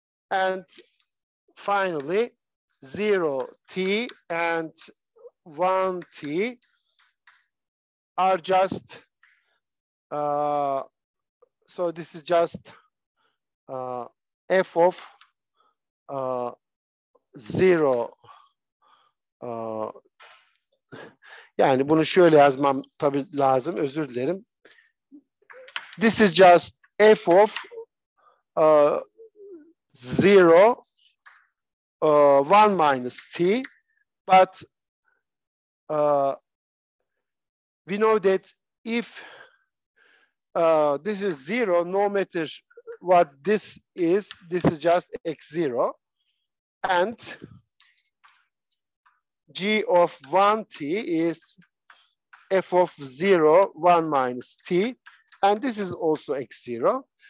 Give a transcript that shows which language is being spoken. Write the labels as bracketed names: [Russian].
[English] And finally, 0t and 1t are just, so this is just f of 0. [Turkish] Yani bunu şöyle yazmam tabii lazım, özür dilerim. [English] This is just f of 0, 1 minus t, but we know that if this is 0, no matter what this is just x0, and g of 1t is f of 0, 1 minus t, and this is also x0.